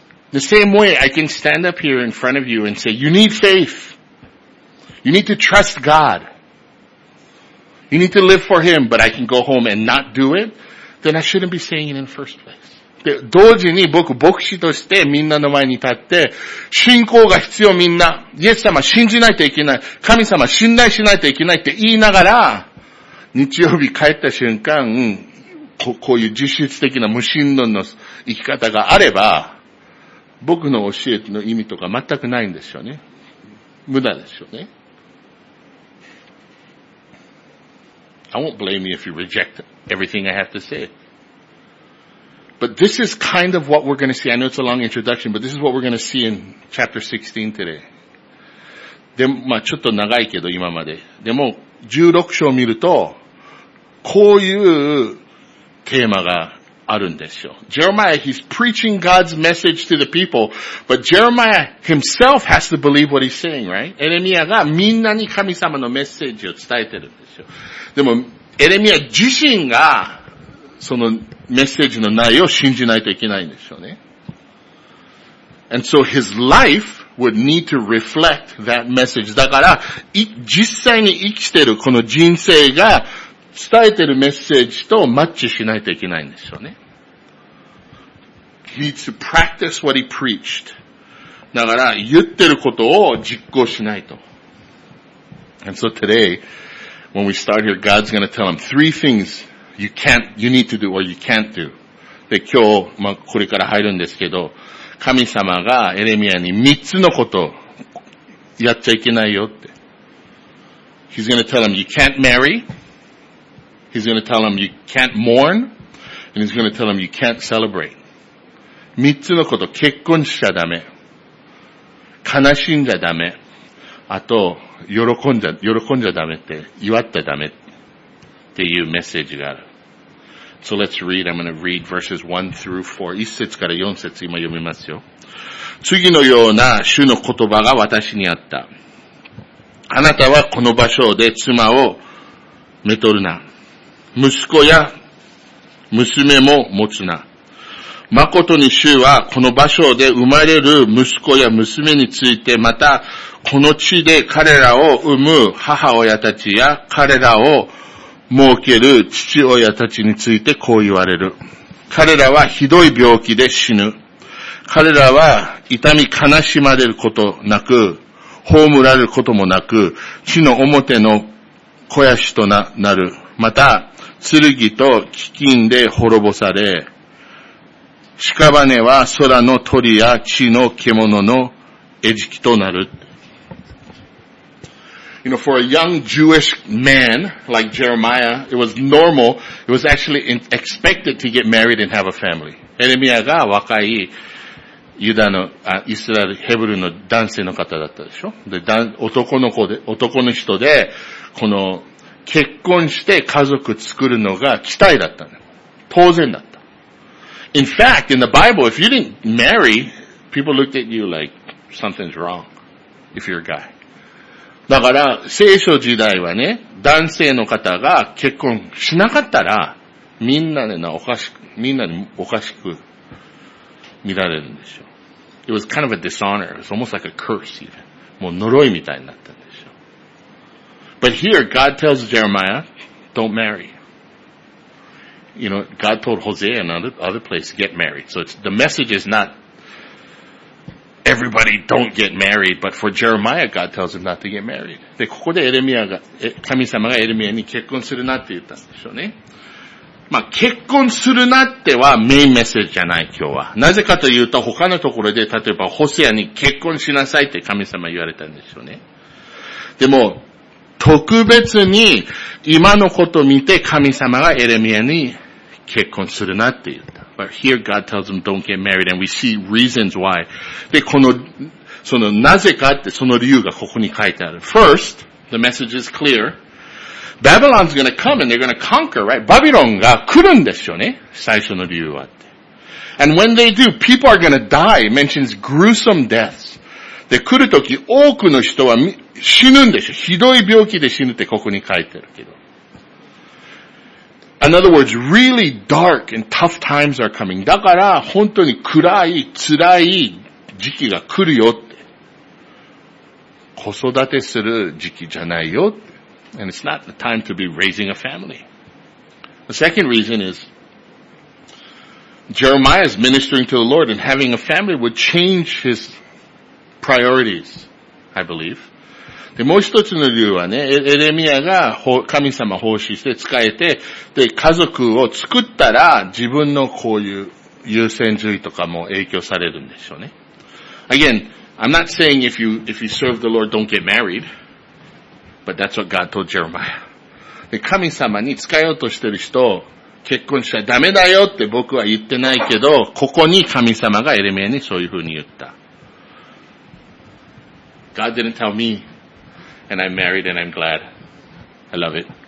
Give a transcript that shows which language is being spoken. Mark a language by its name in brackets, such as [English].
[English] The same way I can stand up here in front of you and say, you need faith. You need to trust God. You need to live for Him, but I can go home and not do it. Then I shouldn't be saying it in the first place. [Japanese] で、同時に僕、牧師としてみんなの前に立って、信仰が必要みんな。イエス様信じないといけない。神様信頼しないといけないって言いながら、日曜日帰った瞬間、こういう実質的な無神論の生き方があれば、僕の教えの意味とか全くないんでしょうね。無駄でしょうね。 [English] I won't blame you if you reject everything I have to say. But this is kind of what we're going to see. I know it's a long introduction, but this is what we're going to see in chapter 16 today. [Japanese] でも、まあちょっと長いけど今まで。でも、16章を見ると、こういうテーマがあるんですよ。 [English] Jeremiah, he's preaching God's message to the people, but Jeremiah himself has to believe what he's saying, right? [Japanese] エレミアがみんなに神様のメッセージを伝えてるんですよ。でも、エレミア自身がそのメッセージの内容を信じないといけないんですよね。 [English] And so his life would need to reflect that message. [Japanese] だから、実際に生きてるこの人生が伝えてるメッセージとマッチしないといけないんですよね。 [English] He needs to practice what he preached. [Japanese] だから言ってることを実行しないと。 [English] And so today, when we start here, God's going to tell him three things you need to do or you can't do. [Japanese] で、今日、まあ、これから入るんですけど、神様がエレミアに三つのことやっちゃいけないよって。 [English] He's going to tell him you can't marry. He's going to tell him you can't mourn, and he's going to tell him you can't celebrate. [Japanese] 三つのこと、結婚しちゃダメ。悲しんじゃダメ。あと、喜んじゃダメって、祝ってダメっていうメッセージがある。 [English] So let's read, I'm going to read verses 1 through 4. [Japanese] 一節から四節今読みますよ。次のような主の言葉が私にあった。あなたはこの場所で妻をめとるな。息子や娘も持つな。誠に主はこの場所で生まれる息子や娘について、またこの地で彼らを産む母親たちや彼らを設ける父親たちについてこう言われる。彼らはひどい病気で死ぬ。彼らは痛み悲しまれることなく、葬られることもなく、地の表の肥やしとなる。また、剣と飢饉で滅ぼされ、屍は空の鳥や地の獣の餌食となる。 [English] You know, for a young Jewish man like Jeremiah, it was normal, it was actually expected to get married and have a family. [Japanese] エレミアが若いユダの、あ、イスラエル、ヘブルの男性の方だったでしょ？で、男の人で、この結婚して家族作るのが期待だったの。当然だった。 [English] In fact, in the Bible, if you didn't marry, people looked at you like something's wrong, if you're a guy. [Japanese] だから、聖書時代はね、男性の方が結婚しなかったら、みんなでな、おかしく見られるんでしょう。 [English] It was kind of a dishonor. It was almost like a curse even. [Japanese] もう呪いみたいになったんでしょう。 [English] But here, God tells Jeremiah, don't marry. You know, God told Hosea and other places, get married. So the message is not,Everybody don't get married, but for Jeremiah, God tells him not to get married. [Japanese] で、ここでエレミアが、神様がエレミアに結婚するなって言ったんでしょうね。まあ、結婚するなってはメインメッセージじゃない、今日は。なぜかというと、他のところで、例えば、ホセアに結婚しなさいって神様言われたんでしょうね。でも、特別に、今のことを見て、神様がエレミアに結婚するなって言った。 [English] But here God tells them don't get married and we see reasons why. [Japanese] で、この、その、なぜかって、その理由がここに書いてある。 [English] First, the message is clear. Babylon's gonna come and they're gonna conquer, right? [Japanese] バビロンが来るんですよね。最初の理由はって。 [English] And when they do, people are gonna die. It mentions gruesome deaths. [Japanese] で、来るとき多くの人は死ぬんでしょ。ひどい病気で死ぬってここに書いてるけど。 [English] In other words, really dark and tough times are coming. [Japanese] だから本当に暗い、辛い時期が来るよって。子育てする時期じゃないよって。 [English] And it's not the time to be raising a family. The second reason is, Jeremiah is ministering to the Lord and having a family would change his priorities, I believe. [Japanese] で、もう一つの理由はね、エレミアが神様奉仕して使えて、で、家族を作ったら自分のこういう優先順位とかも影響されるんでしょうね。 [English] Again, I'm not saying if you serve the Lord, don't get married. But that's what God told Jeremiah. [Japanese] で、神様に使えようとしてる人、結婚しちゃダメだよって僕は言ってないけど、ここに神様がエレミアにそういうふうに言った。 [English] God didn't tell me. And I'm married and I'm glad. I love it.